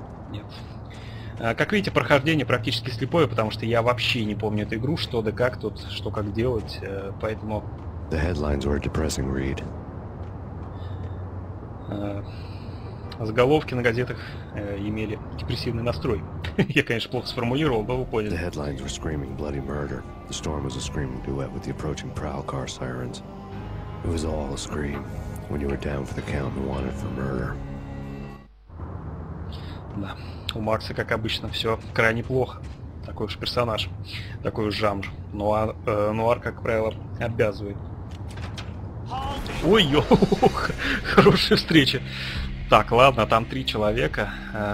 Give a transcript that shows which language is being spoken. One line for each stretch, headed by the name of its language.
Russian: Нет. Как видите, прохождение практически слепое, потому что я вообще не помню эту игру, что да как тут, что как делать, поэтому...
English: The headlines were a depressing read.
Russian: Заголовки на газетах имели депрессивный настрой. Я, конечно, плохо сформулировал, но вы поняли.
English: The headlines were screaming bloody murder. The storm was a screaming duet with the approaching prowl car sirens. It was all a scream when you were down for the count and wanted for murder.
Russian: Да, у Макса, как обычно, все крайне плохо. Такой уж персонаж, такой уж жанр. Нуар, как правило, обязывает. Ой-ё, хорошая встреча. Так, ладно, там три человека.